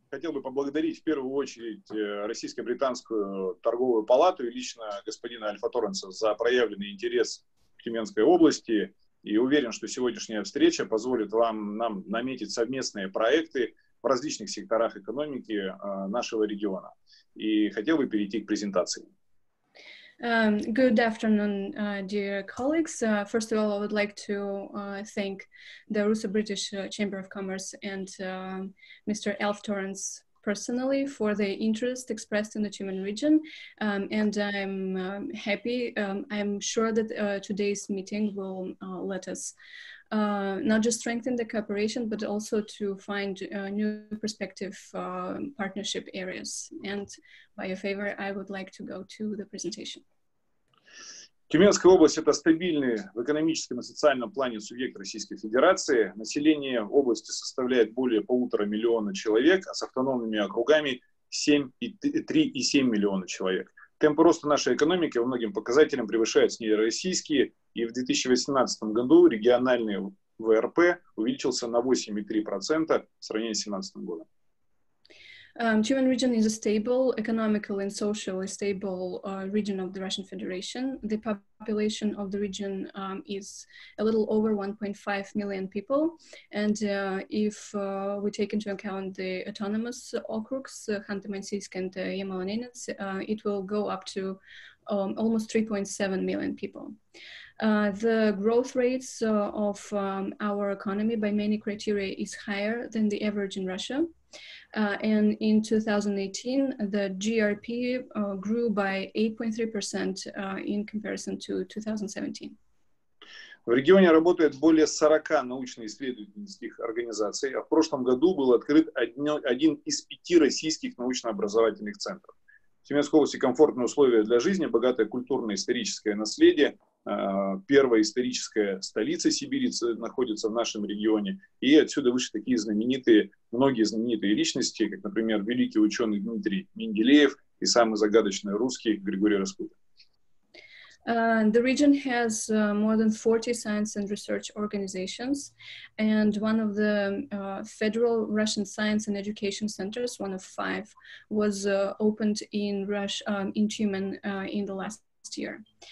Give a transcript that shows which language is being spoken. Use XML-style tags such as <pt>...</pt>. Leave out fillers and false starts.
<ru>Хотел бы поблагодарить в первую очередь Российско-Британскую торговую палату и лично господина Альфа Торренса за проявленный интерес к Тюменской области. И уверен, что сегодняшняя встреча позволит вам нам наметить совместные проекты в различных секторах экономики нашего региона. И хотел бы перейти к презентации.</ru> <en>Good afternoon, dear colleagues. First of all, I would like to thank the Russo-British Chamber of Commerce and Mr. Alf Torrance personally for the interest expressed in the Tumen region. And I'm happy, I'm sure that today's meeting will let us not just strengthen the cooperation, but also to find new perspective partnership areas. And by your favor, I would like to go to the presentation.</en> <ru>Тюменская область — это стабильный в экономическом и социальном плане субъект Российской Федерации. Население области составляет более 1,5 миллиона человек, а с автономными округами 3,7 миллиона человек. Темпы роста нашей экономики во многим показателям превышают среднероссийские, и в 2018 году региональный ВРП увеличился на 8,3% в сравнении с 2017 годом.</ru> <en>Tumen region is a stable, economically and socially stable region of the Russian Federation. The population of the region is a little over 1.5 million people. And if we take into account the autonomous okrugs, Ханты-Мансийск and Ямало-Ненец, it will go up to almost 3.7 million people. The growth rates of our economy by many criteria is higher than the average in Russia. And in 2018, the GRP grew by 8.3% in comparison to 2017.</en> <ru>В регионе работает более 40 научно-исследовательских организаций, а в прошлом году был открыт один из пяти российских научно-образовательных центров. В Тюменской области комфортные условия для жизни, богатое культурно-историческое наследие. Первая историческая столица Сибири находится в нашем регионе. И отсюда вышли такие знаменитые, многие знаменитые личности, как, например, великий ученый Дмитрий Менделеев и самый загадочный русский Григорий Распутин.</ru> <en>The region has more than 40 science and research organizations, and one of the federal Russian science and education centers, one of five, was opened in Tumen in the last year.</en>